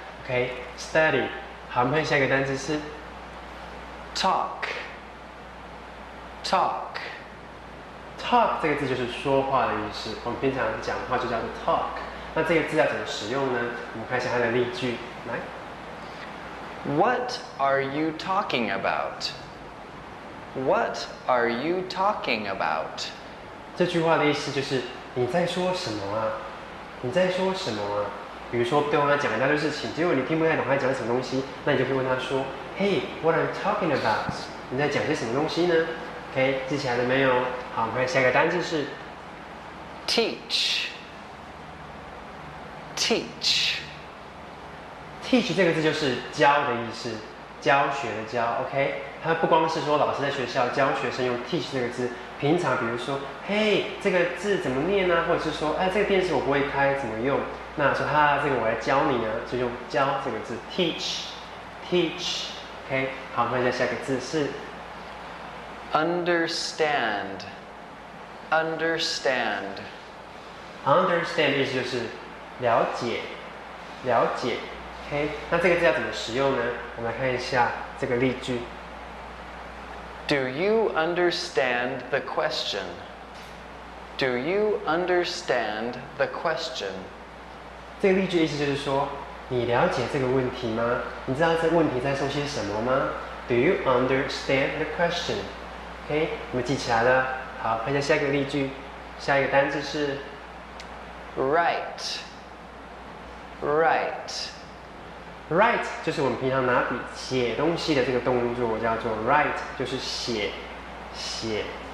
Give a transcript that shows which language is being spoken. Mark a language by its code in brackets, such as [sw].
[en] OK，study。 [zh] 好，我们看下一个单词是 [en] talk。 talk。 [zh] talk 这个字就是说话的意思，我们平常讲话就叫做 talk。那这个字要怎么使用呢？我们看一下它的例句，来。 [en] What are you talking about? What are you talking about? [zh] 这句话的意思就是你在说什么啊？你在说什么啊？比如说对方讲一大堆事情，结果你听不太懂他讲什么东西，那你就可以问他说 ： [en] “Hey, what are you talking about? [zh] 你在讲些什么东西呢 ？”OK， 记起来了没有？好，我们看下一个单字是 [en] teach。 teach。 [zh] teach 这个字就是教的意思，教学的教。 OK。它不光是说老师在学校教学生用 teach 这个字，平常比如说，嘿，这个字怎么念啊？或者是说，哎，这个电视我不会开，怎么用？那说哈，这个我来教你啊，就用教这个字 teach。 OK， 好，换一下下一个字是 [en] understand。 understand。 [zh] understand 意思就是了解，了解。 OK， 那这个字要怎么使用呢？我们来看一下这个例句。 [en] Do you understand the question? Do you understand the question? [zh] 这个例句意思就是说，你了解这个问题吗？你知道这个问题在说些什么吗？ [en] Do you understand the question? [zh] OK， 我们记起来了。好，看一下下一个例句，下一个单字是 [en] write。 write。 [zh] Write 就是我们平常拿笔写东西的这个动作，我叫做 write， 就是写，写。